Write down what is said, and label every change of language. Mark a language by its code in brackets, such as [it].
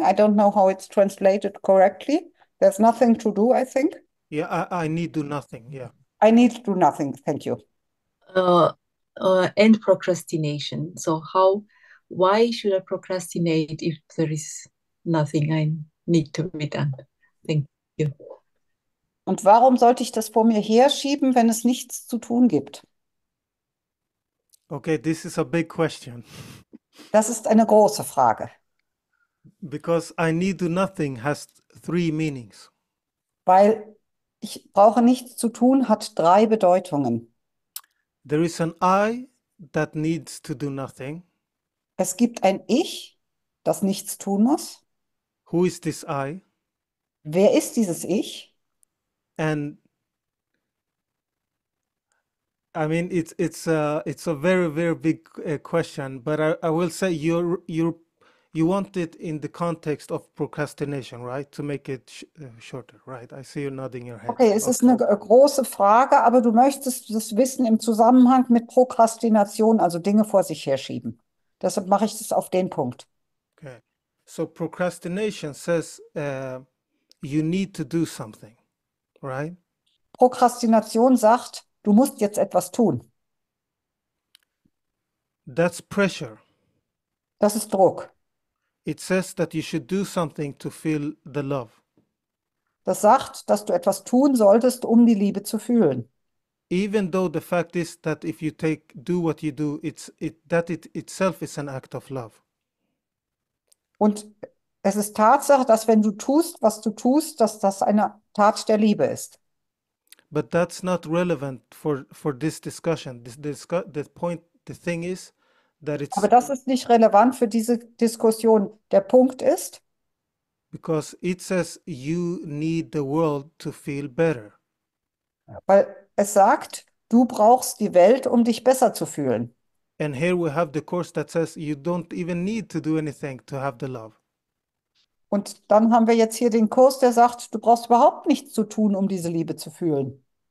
[en] I don't know how it's translated correctly. There's nothing to do, I think. Yeah, I need do nothing. Yeah. I need to do nothing, thank you. And procrastination. So how, why should I procrastinate if there is nothing I need to be done? Thank you. [de] Und warum sollte ich das vor mir herschieben, wenn es nichts zu tun gibt? [en] Okay, this is a big question. [de] Das ist eine große Frage. [en] Because I need do nothing has three meanings. [de] Weil ich brauche nichts zu tun, hat drei Bedeutungen. [en] There is an I that needs to do nothing. [de] Es gibt ein Ich, das nichts tun muss. [en] Who is this I? [de] Wer ist dieses Ich? [en] And I mean, it's a very, very big question, but I will say you want it in the context of procrastination, right? To make it shorter, right? I see you nodding your head. [de] Okay, es ist [en] Okay. [de] eine große Frage, aber du möchtest das Wissen im Zusammenhang mit Prokrastination, also Dinge vor sich herschieben. Deshalb mache ich das auf den Punkt. [en] Okay. So procrastination says you need to do something, right? [de] Prokrastination sagt, du musst jetzt etwas tun. [en] That's pressure. [de] Das ist Druck. [en] It says that you should do something to feel the love. [de] Das sagt, dass du etwas tun solltest, um die Liebe zu fühlen. [en] Even though the fact is that if you take do what you do, it itself is an act of love. [de] Und es ist Tatsache, dass wenn du tust, was du tust, dass das eine Tat der Liebe ist. [en] But that's not relevant for this discussion. The point, the thing is that [de] Aber [en] it's [de] das ist nicht relevant für diese Diskussion. Der Punkt ist, [en] because it says you need the world to feel better. [de] weil es sagt, du brauchst die Welt, um dich besser zu fühlen. [en] And here we have the course that says you don't even need to do anything to have the love. [de] Und dann haben wir jetzt hier den Kurs, der sagt, du brauchst überhaupt nichts zu tun, um diese Liebe zu fühlen.